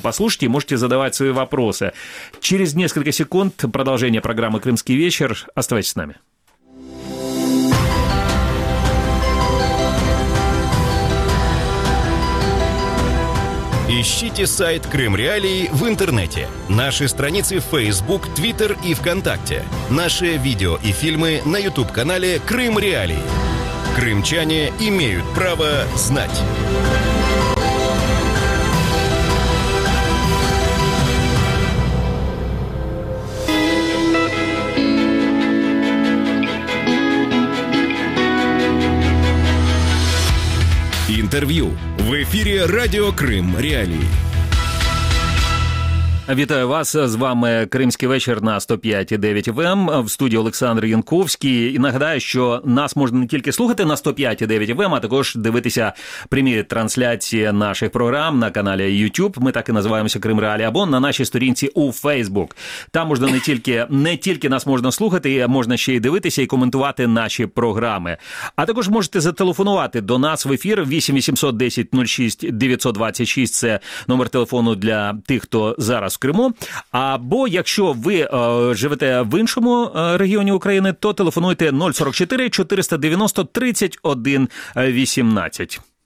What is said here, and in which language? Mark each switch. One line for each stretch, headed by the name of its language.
Russian: Послушайте, можете задавать свои вопросы. Через несколько секунд продолжение программы «Крымский вечер». Оставайтесь с нами. Ищите сайт «Крым Реалии» в интернете. Наши страницы в Facebook, Twitter и ВКонтакте. Наши видео и фильмы на YouTube-канале «Крым Реалии». Крымчане имеют право знать.
Ukrainian: інтерв'ю в ефірі Радіо Крим Реалії. Вітаю вас, з вами «Кримський вечір» на 105.9 FM, в студії Олександр Янковський. І нагадаю, що нас можна не тільки слухати на 105.9 FM, а також дивитися прямі трансляції наших програм на каналі YouTube, ми так і називаємося «Крим Реалі», або на нашій сторінці у Facebook. Там можна не тільки нас можна слухати, можна ще й дивитися і коментувати наші програми. А також можете зателефонувати до нас в ефір 8 810 06 926, це номер телефону для тих, хто зараз в Криму, або якщо ви живете в іншому регіоні України, то телефонуйте 044-490-3118.